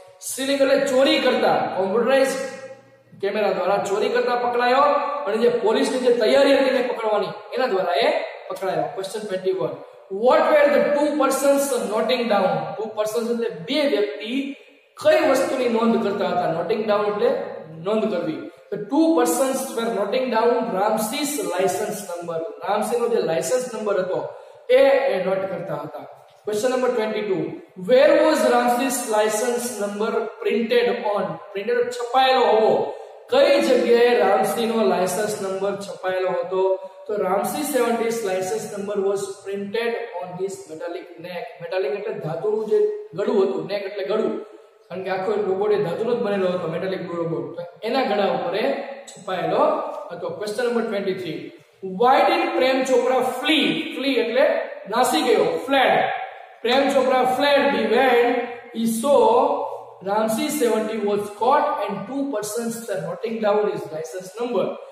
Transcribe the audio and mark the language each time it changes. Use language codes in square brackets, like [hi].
[gu] Stealing એટલે ચોરી કરતા, કમ્પ્યુટરાઇઝ કેમેરા દ્વારા ચોરી કરતા પકડાયો અને જે પોલીસની જે તૈયારી હતી એને પકડવાની એના દ્વારા એ પકડાયો. [en] Question 21, what were the two persons noting down? [gu] Two persons એટલે બે વ્યક્તિ કઈ વસ્તુની નોંધ કરતા હતા? નોટિંગ ડાઉન એટલે નોંધ કરવી. [en] The two persons were noting down Ramsey's license number. [gu] Ramsey નો જે license number હતો એ નોટ કરતા હતા. [en] Question number 22, where was Ramsey's license number printed on? [gu] Printed છપાયેલો હોવો, કઈ જગ્યાએ Ramsey નો license number છપાયેલો હતો? [en] તો Ramsey 70's license number was printed on his metallic neck. Metallic [gu] એટલે ધાતુનું જે ગળું હતું, [en] neck [gu] એટલે ગળું, કારણ કે આખો રોબોટ એ ધાતુનો જ બનેલો હતો, મેટાલિક રોબોટ. તો એના ગળા ઉપર એ છુપાયેલો હતો. [en] Question number 23, why did Prem Chopra flee? [gu] Flea એટલે નાસી ગયો, [en] Fled. Prem Chopra fled be when he saw Ram Singh 70 was caught and two persons are noting down his licence number.